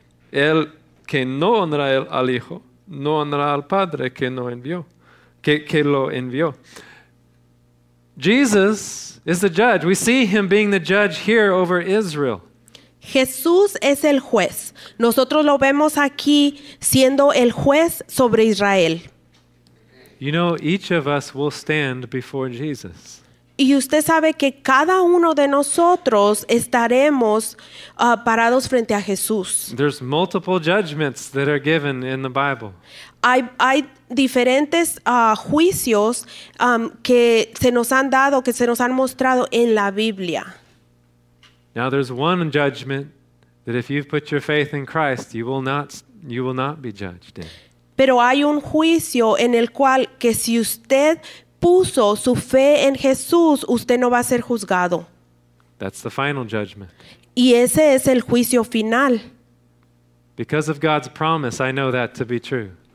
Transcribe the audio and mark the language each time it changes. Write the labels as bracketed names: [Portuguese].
[Spanish] El que no honra al Hijo no honra al Padre que no envió, que lo envió. [English] Jesus is the judge. We see him being the judge here over Israel. [Spanish] Jesús es el juez. Nosotros lo vemos aquí siendo el juez sobre Israel. [English] You know, each of us will stand before Jesus. [Spanish] Y usted sabe que cada uno de nosotros estaremos parados frente a Jesús. [English] There's multiple judgments that are given in the Bible. [Spanish] Hay diferentes juicios que se nos han dado, que se nos han mostrado en la Biblia. [English] Now there's one judgment that if you've put your faith in Christ, you will not be judged in. [Spanish] Pero hay un juicio en el cual que si usted puso su fe en Jesús, usted no va a ser juzgado. [English] That's the final judgment. [Spanish] Y ese es el juicio final. [English] Because of God's promise, I know that to be true.